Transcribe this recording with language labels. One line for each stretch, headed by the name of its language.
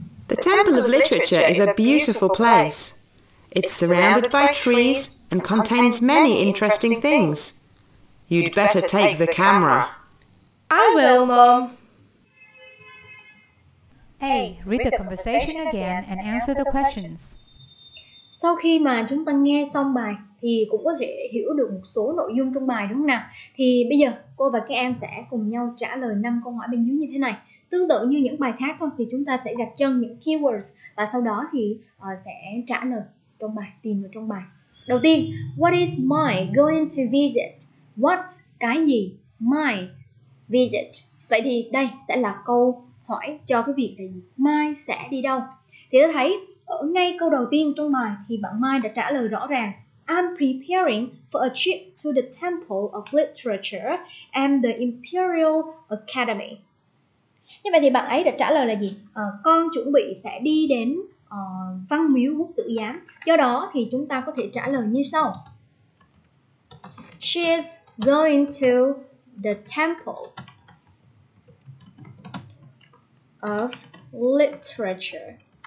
English: The Temple of Literature is a beautiful place. It's surrounded by trees and contains many interesting things. You'd better take the camera. I will, Mum. A. Read the conversation again and answer the questions.
Vietnamese: Sau khi mà chúng ta nghe xong bài thì cũng có thể hiểu được một số nội dung trong bài đúng không nào? Thì bây giờ cô và các em sẽ cùng nhau trả lời 5 câu hỏi bên dưới như thế này. Tương tự như những bài khác thôi, thì chúng ta sẽ gạch chân những keywords và sau đó thì sẽ trả lời trong bài, tìm được trong bài. Đầu tiên,
English: what is my going to visit? What,
Vietnamese: cái gì?
English: My visit.
Vietnamese: Vậy thì đây sẽ là câu hỏi cho cái việc là gì? My sẽ đi đâu? Thì ta thấy ở ngay câu đầu tiên trong bài thì bạn Mai đã trả lời rõ ràng.
English: I'm preparing for a trip to the Temple of Literature and the Imperial Academy.
Vietnamese: Như vậy thì bạn ấy đã trả lời là gì? Con chuẩn bị sẽ đi đến văn miếu quốc tử giám. Do đó thì chúng ta có thể trả lời như sau.
English: She is going to the Temple of Literature.